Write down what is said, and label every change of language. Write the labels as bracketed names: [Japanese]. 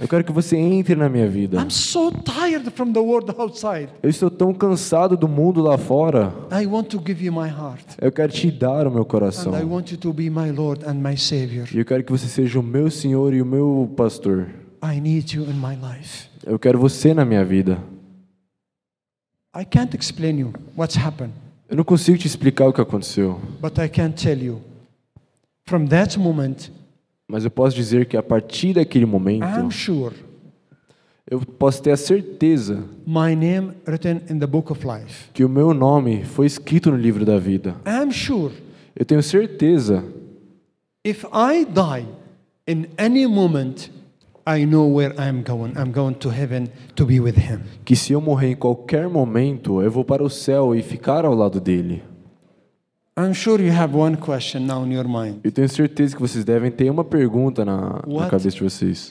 [Portuguese] Eu quero que você entre na minha vida. [English] I'm so tired from the world outside. [Portuguese] Eu estou tão cansado do mundo lá fora. [English] I want to give you my heart. [Portuguese] Eu quero te dar o meu coração. [English] And I want you to be my Lord and my Savior. [Portuguese] E eu quero que você seja o meu Senhor e o meu pastor. [English] I need you in my life. [Portuguese] Eu quero você na minha vida. [English] I can't explain you what's happened. [Portuguese] Eu não consigo te explicar o que aconteceu. [English] But I can tell you, from that moment, [Portuguese] mas eu posso dizer que a partir daquele momento, [English] I'm sure, [Portuguese] eu posso ter a certeza, [English] my name written in the book of life, [Portuguese] que o meu nome foi escrito no livro da vida. [English] I'm sure, [Portuguese] eu tenho certeza. [English] If I die in any moment, I know where I'm going. I'm going to heaven to be with him. [Portuguese] Que se eu morrer em qualquer momento, eu vou para o céu e ficar ao lado dele. [English] I'm sure you have one question now in your mind. [Portuguese] Eu tenho certeza que vocês devem ter uma pergunta na cabeça de vocês.